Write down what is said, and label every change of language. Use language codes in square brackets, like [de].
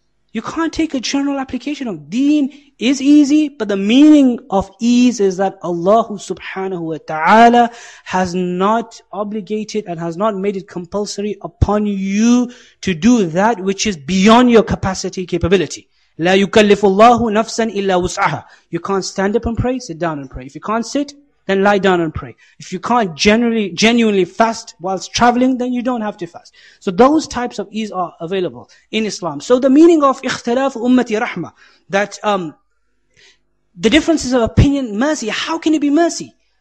[en] You can't take a general application of deen is easy, but the meaning of ease is that Allah subhanahu wa ta'ala has not obligated and has not made it compulsory upon you to do that which is beyond your capacity, capability. [ar] لا يكلف الله نفسا إلا وسعها. [en] You can't stand up and pray, sit down and pray. If you can't sit, then lie down and pray. If you can't genuinely fast whilst traveling, then you don't have to fast. So those types of ease are available in Islam. So the meaning of [ar] ikhtilaf ummati rahma, [en] that the differences of opinion, mercy, how can it be mercy?